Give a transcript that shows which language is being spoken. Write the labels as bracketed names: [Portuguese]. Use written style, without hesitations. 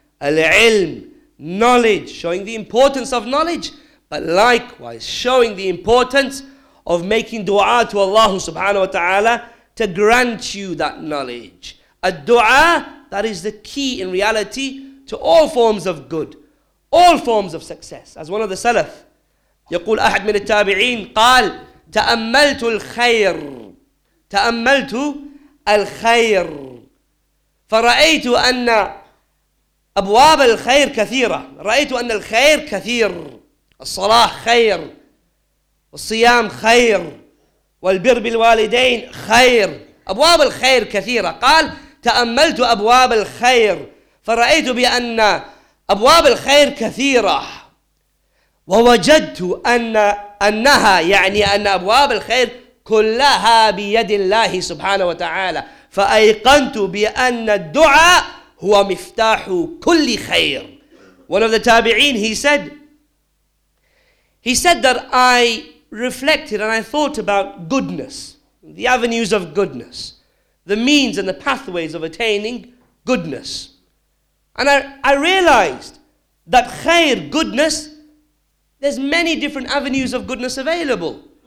[English] Al-ilm, knowledge, showing the importance of knowledge, but likewise showing the importance of making dua to Allah subhanahu wa ta'ala to grant you that knowledge. A dua that is the key in reality to all forms of good, all forms of success. As one of the salaf, [Arabic] يقول أحد من التابعين قال تأملت الخير تأملت الخير فرأيت أن أبواب الخير كثيرة رأيت أن الخير كثير الصلاة خير والصيام خير والبر بالوالدين خير، أبواب الخير كثيرة. قال تأملت أبواب الخير فرأيت بأن أبواب الخير كثيرة، ووجدت أنها يعني أن أبواب الخير كلها بيد الله سبحانه وتعالى، فأيقنت بأن الدعاء هو مفتاح كل خير. [English] One of the tabi'een, he said that I reflected and I thought about goodness, the avenues of goodness, the means and the pathways of attaining goodness. And I realized that khair, goodness, there's many different avenues of goodness available.